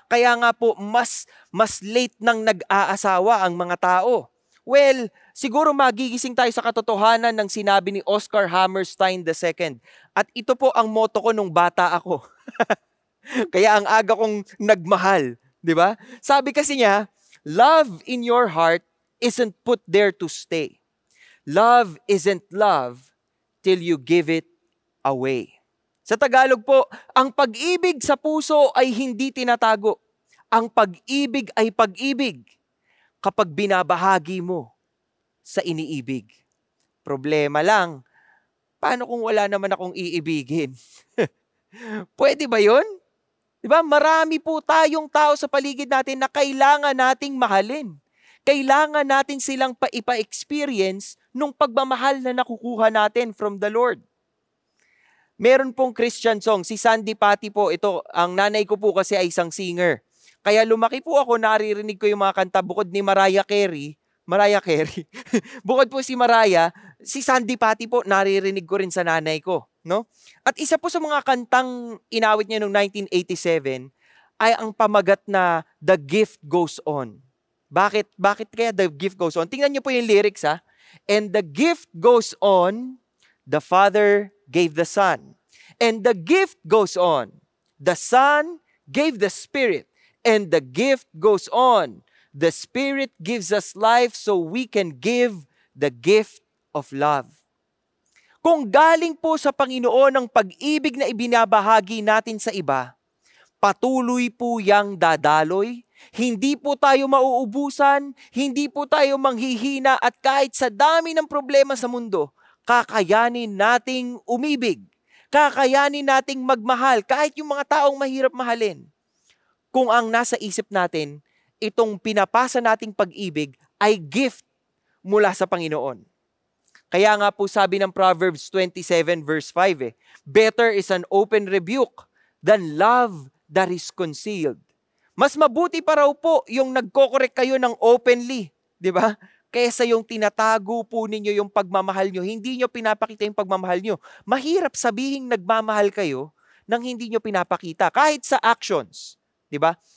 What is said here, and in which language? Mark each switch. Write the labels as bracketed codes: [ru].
[tl] Kaya nga po, mas late nang nag-aasawa ang mga tao. Well, siguro magigising tayo sa katotohanan ng sinabi ni Oscar Hammerstein II. At ito po ang motto ko nung bata ako. Kaya ang aga kong nagmahal, di ba? Sabi kasi niya, [en] love in your heart isn't put there to stay. Love isn't love till you give it away. [tl] Sa Tagalog po, ang pag-ibig sa puso ay hindi tinatago. Ang pag-ibig ay pag-ibig kapag binabahagi mo sa iniibig. Problema lang, paano kung wala naman akong iibigin? Pwede ba yun? Diba? Marami po tayong tao sa paligid natin na kailangan nating mahalin. Kailangan natin silang paipa-experience nung pagmamahal na nakukuha natin [en] from the Lord. [tl] Meron pong Christian song, si Sandy Patty po, ito ang nanay ko po kasi ay isang singer. Kaya lumaki po ako, naririnig ko yung mga kanta bukod ni Mariah Carey. Bukod po si Mariah, si Sandy Patty po, naririnig ko rin sa nanay ko, no? At isa po sa mga kantang inawit niya noong 1987 ay ang pamagat na The Gift Goes On. Bakit kaya The Gift Goes On? Tingnan niyo po yung lyrics, ha? [en] And the gift goes on, the Father gave the Son. And the gift goes on, the Son gave the Spirit. And the gift goes on, the Spirit gives us life so we can give the gift of love. [tl] Kung galing po sa Panginoon ang pag-ibig na ibinabahagi natin sa iba, patuloy po yang dadaloy, hindi po tayo mauubusan, hindi po tayo manghihina at kahit sa dami ng problema sa mundo, kakayanin nating umibig, kakayanin nating magmahal kahit yung mga taong mahirap mahalin. Kung ang nasa isip natin, itong pinapasa nating pag-ibig ay gift mula sa Panginoon. Kaya nga po sabi ng Proverbs 27 verse 5, [en] better is an open rebuke than love that is concealed. [tl] Mas mabuti pa raw po yung nagko-correct kayo ng openly, di ba? Kaysa yung tinatago po ninyo yung pagmamahal nyo, hindi nyo pinapakita yung pagmamahal nyo. Mahirap sabihing nagmamahal kayo nang hindi nyo pinapakita, kahit sa actions. Diba?